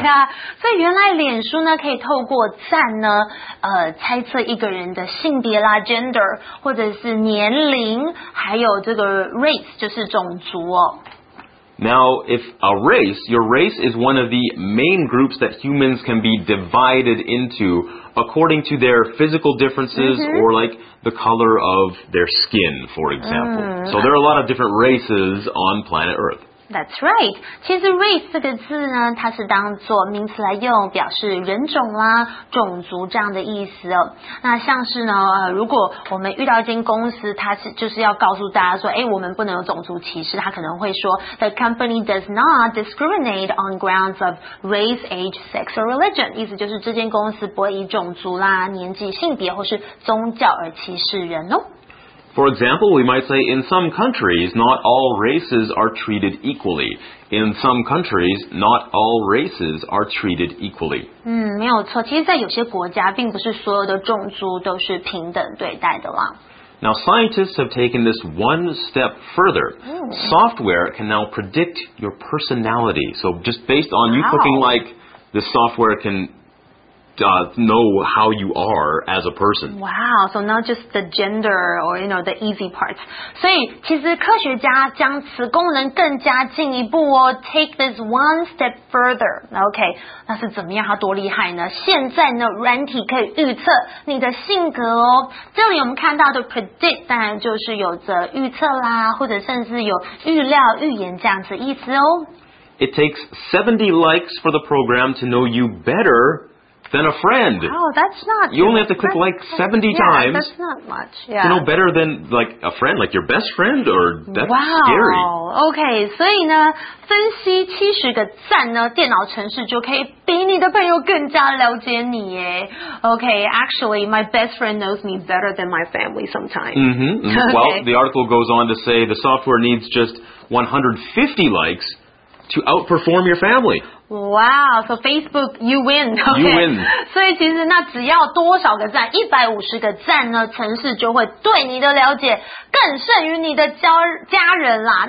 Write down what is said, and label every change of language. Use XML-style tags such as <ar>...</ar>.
<zh>对啊，所以原来脸书呢可以透过赞呢，猜测一个人的性别啦 ，gender， 或者是年龄，还有这个 race， 就是种族哦。</zh> <en>Now, if a race, your race is one of the main groups that humans can be divided into according to their physical differences or like the color of their skin, for example. So there are a lot of different races on planet Earth. That's right.</en> <zh>其实 race 这个字呢，它是当作名词来用，表示人种啦、种族这样的意思哦。那像是呢，如果我们遇到一间公司，它是就是要告诉大家说，哎，我们不能有种族歧视，它可能会说 ， The company does not discriminate on grounds of race, age, sex, or religion. 意思就是这间公司不会以种族啦、年纪、性别或是宗教而歧视人哦。</zh> <en>For example, we might say, in some countries, not all races are treated equally. In some countries, not all races are treated equally.</en> <zh>没有错。其实在有些国家，并不是所有的种族都是平等对待的啦。</zh> <en>Now, scientists have taken this one step further. Software can now predict your personality. So, just based on you clicking like, the software can... know how you are as a person. Wow, so not just the gender or, you know, the easy parts.</en> <zh>所以其实科学家将此功能更加进一步哦 take this one step further. OK, 那是怎么样它多厉害呢现在呢软体可以预测你的性格哦。这里我们看到的 predict 当然就是有着预测啦或者甚至有预料预言这样子意思哦。</zh> <en>It takes 70 likes for the program to know you better than a friend. Oh, that's not... You only have to click like 70 times. Yeah, that's not much. Yeah. To know better than like a friend, like your best friend, or that's wow. scary. Wow, okay.</en> <zh>所以呢分析70个赞呢电脑程式就可以比你的朋友更加了解你耶。</zh> <en>Okay, actually, my best friend knows me better than my family sometimes. Mm-hmm. Okay. Well, the article goes on to say the software needs just 150 likes. To outperform your family. Wow, so Facebook, you win.、Okay. You win.</en> <zh>所以其实那只要多少个赞 ,150 个赞呢程式就会对你的了解更胜于你的 家人啦。</zh>